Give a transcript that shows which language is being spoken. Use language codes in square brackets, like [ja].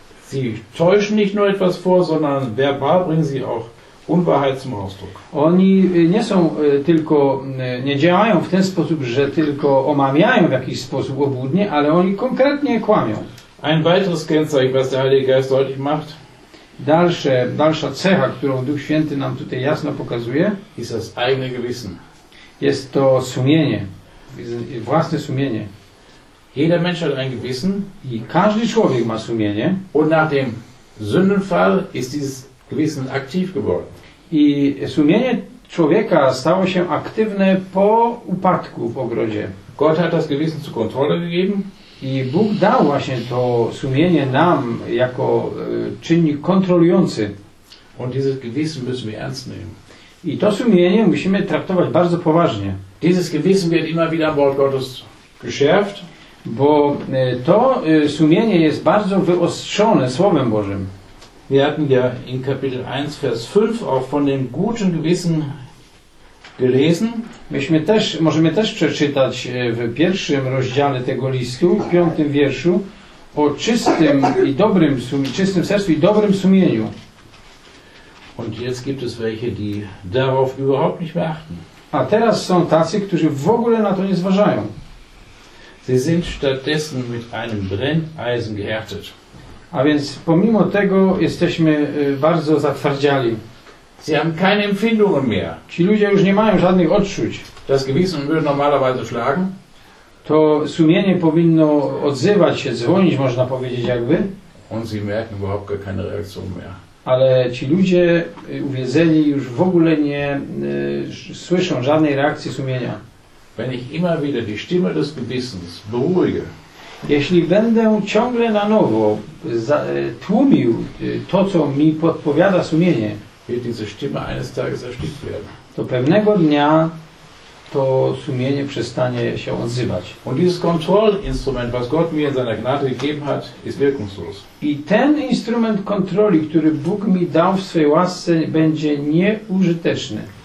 [de] Sie täuschen nicht nur etwas vor, sondern verbal bringen sie auch Unwahrheit zum Ausdruck. [pl] Oni nie są tylko, nie działają w ten sposób, że tylko omamiają w jakiś sposób obłudnie, ale oni konkretnie kłamią. [de] Ein weiteres Kennzeichen, was der Heilige Geist deutlich macht. [pl] Dalsza cecha, którą Duch Święty nam tutaj jasno pokazuje, [de] ist das eigene Gewissen. [pl] Jest to sumienie, własne sumienie. [de] Jeder Mensch hat ein Gewissen. [pl] I każdy człowiek ma sumienie. [de] Und nach dem Sündenfall ist dieses Gewissen aktiv geworden. [pl] I sumienie człowieka stało się aktywne po upadku w ogrodzie. [de] Gott hat das Gewissen zur Kontrolle gegeben. [pl] I Bóg dał właśnie to sumienie nam jako czynnik kontrolujący. [de] Und dieses Gewissen müssen wir ernst nehmen. [pl] I to sumienie musimy traktować bardzo poważnie. [de] Dieses Gewissen wird immer wieder Wort Gottes geschärft. [pl] Bo to sumienie jest bardzo wyostrzone Słowem Bożym. [de] Wir hatten ja in Kapitel 1, Vers 5 auch von dem guten Gewissen gelesen. [pl] Myśmy też, możemy też przeczytać w pierwszym rozdziale tego listu, w piątym wierszu, o czystym i dobrym czystym sercu i dobrym sumieniu. [de] Und jetzt gibt es welche, die darauf überhaupt nicht mehr achten. [pl] A teraz są tacy, którzy w ogóle na to nie zważają. [de] Sie sind stattdessen mit einem Brenneisen gehärtet. [pl] A więc pomimo tego jesteśmy bardzo zatwardziali. [de] Sie haben keine Empfindungen mehr. [pl] Ci ludzie już nie mają żadnych odczuć. [de] Das Gewissen würde normalerweise schlagen. [pl] To sumienie powinno odzywać się, dzwonić można powiedzieć jakby. [de] Und sie merken überhaupt gar keine Reaktion mehr. [pl] Ale ci ludzie uwiedzeni już w ogóle nie słyszą żadnej reakcji sumienia. [de] Wenn ich immer wieder die Stimme des Gewissens beruhige. [pl] Jeśli będę ciągle na nowo tłumił to, co mi podpowiada sumienie, [de] wird diese Stimme eines Tages erstickt werden. [pl] To pewnego dnia to sumienie przestanie się odzywać. [de] Und dieses Kontrollinstrument, was Gott mir in seiner Gnade gegeben hat, ist wirkungslos. [pl] I ten instrument kontroli, który Bóg mi dał w swej łasce, będzie nieużyteczny.